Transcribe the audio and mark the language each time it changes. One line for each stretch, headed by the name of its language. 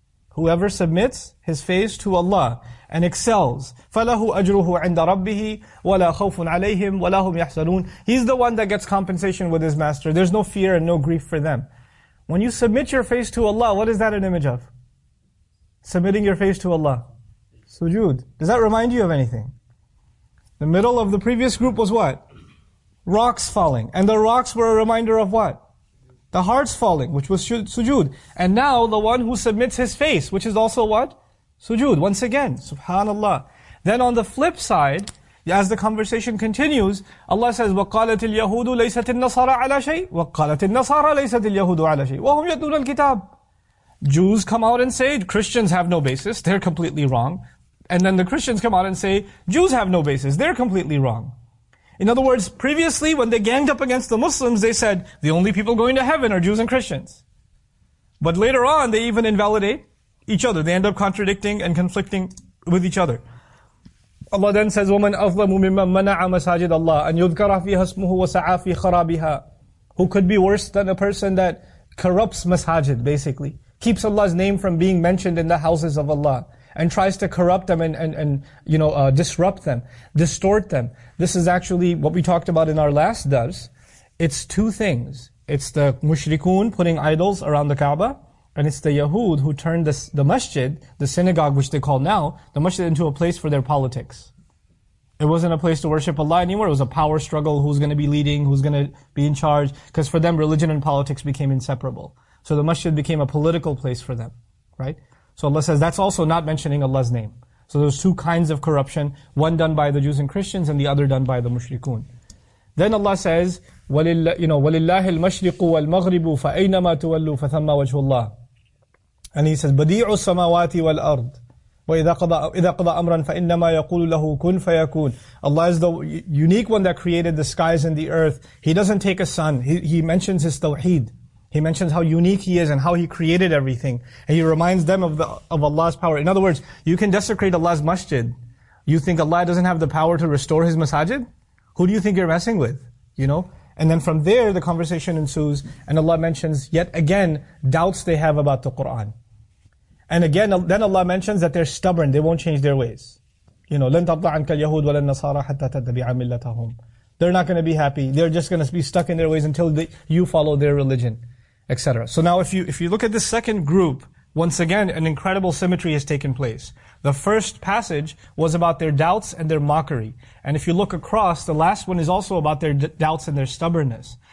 English: Whoever submits his face to Allah and excels,
Arabic: فَلَهُ أَجْرُهُ عِنْدَ رَبِّهِ وَلَا خَوْفٌ عَلَيْهِمْ وَلَا هُمْ يَحْزَنُونَ.
English: He's the one that gets compensation with his master. There's no fear and no grief for them. When you submit your face to Allah, what is that an image of? Submitting your face to Allah. Sujood. Does that remind you of anything? The middle of the previous group was what? Rocks falling. And the rocks were a reminder of what? The hearts falling, which was sujood. And now the one who submits his face, which is also what? Sujood, once again, subhanallah. Then on the flip side, as the conversation continues, Allah says,
Arabic: وَقَالَتِ الْيَهُودُ لَيْسَتِ النَّصَارَ عَلَى شَيْءٍ وَقَالَتِ النَّصَارَ لَيْسَتِ الْيَهُودُ عَلَى شَيْءٍ وَهُمْ يَتْلُونَ الْكِتَابِ.
English: Jews come out and say, Christians have no basis, they're completely wrong. And then the Christians come out and say, Jews have no basis, they're completely wrong. In other words, previously when they ganged up against the Muslims, they said, the only people going to heaven are Jews and Christians. But later on, they even invalidate each other. They end up contradicting and conflicting with each other. Allah then says,
Arabic: وَمَنْ أَظْلَمُ مِمَّنْ مَنَعَ مَسَاجِدَ اللَّهِ أَنْ يُذْكَرَ فِيهَا اسْمُهُ وَسَعَى فِي خَرَابِهَا.
English: Who could be worse than a person that corrupts masajid, basically. Keeps Allah's name from being mentioned in the houses of Allah. And tries to corrupt them and disrupt them, distort them. This is actually what we talked about in our last dars. It's two things. It's the mushrikun putting idols around the Kaaba, and it's the Yahud who turned the masjid, the synagogue which they call now, the masjid into a place for their politics. It wasn't a place to worship Allah anymore. It was a power struggle, who's going to be leading, who's going to be in charge. Because for them, religion and politics became inseparable. So the masjid became a political place for them, right? So Allah says, that's also not mentioning Allah's name. So there's two kinds of corruption, one done by the Jews and Christians and the other done by the mushrikun. Then Allah says,
Arabic: وَلِلَّهِ الْمَشْرِقُ وَالْمَغْرِبُ فَأَيْنَمَا تُوَلُّوا فَثَمَّ وَجْهُ اللَّهِ.
English: And He says,
Arabic: بَدِيعُ السَّمَاوَاتِ وَالْأَرْضِ وَإِذَا قَضَى أَمْرًا فَإِنَّمَا يَقُولُ لَهُ كُنْ فَيَكُونَ.
English: Allah is the unique one that created the skies and the earth. He doesn't take a son. He mentions His tawheed. He mentions how unique He is and how He created everything. And He reminds them of Allah's power. In other words, you can desecrate Allah's masjid. You think Allah doesn't have the power to restore His masajid? Who do you think you're messing with? You know? And then from there, the conversation ensues, and Allah mentions, yet again, doubts they have about the Qur'an. And again, then Allah mentions that they're stubborn, they won't change their ways. You know,
Arabic: لَن تَبْضَ عَنْكَ الْيَهُودِ وَلَا النَّصَارَى حَتَّى تَتَّبِعَ مِلَّتَهُمْ.
English: They're not going to be happy. They're just going to be stuck in their ways until you follow their religion, etc. So now if you look at the second group, once again, an incredible symmetry has taken place. The first passage was about their doubts and their mockery. And if you look across, the last one is also about their doubts and their stubbornness.